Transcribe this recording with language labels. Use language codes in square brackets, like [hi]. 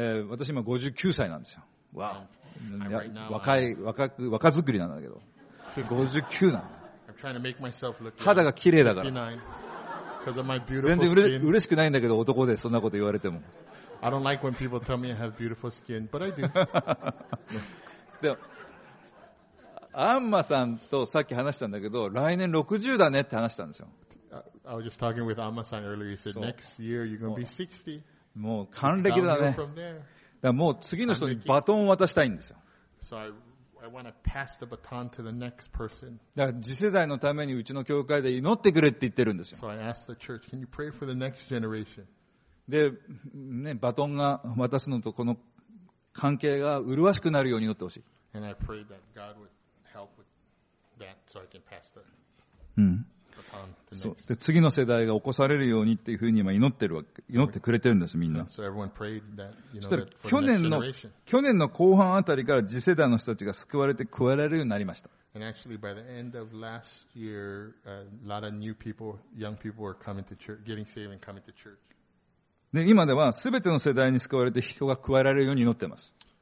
[ja] 私今59歳なんですよ。わあ、若い、若作りなんだけど。 59なんだ。肌が綺麗だから。全然嬉しくないんだけど、男でそんなこと言われても。 [en] I don't like when people tell me I have beautiful skin, but I do. [ja] でも、アンマさんとさっき話したんだけど、来年60だねって話したんですよ。 [en] I was just talking with Amma さん earlier. He said, next year you're going to be 60. [ja] もう還暦だね。だからもう次の人にバトンを渡したいんですよ。 [en] So I want to pass the baton to the next person. [ja] だから次世代のためにうちの教会で祈ってくれって言ってるんですよ。 [en] So I asked the church, can you pray for the next generation? [ja] で、ね、バトンが渡すのとこの関係が麗しくなるように祈ってほしい。 [en] And I pray that God would help with that so I can pass the baton to the next. [ja] 次の世代が起こされるようにっていうふうに今祈ってくれてるんです、みんな。 [en] So everyone prayed that, you know, that for the next generation. [ja] 去年の後半あたりから次世代の人たちが救われて加えられるようになりました。 [en] And actually by the end of last year, a lot of new people, young people were coming to church, getting saved and coming to church. [ja] で今では全ての世代に救われて人が加えられるように祈っています。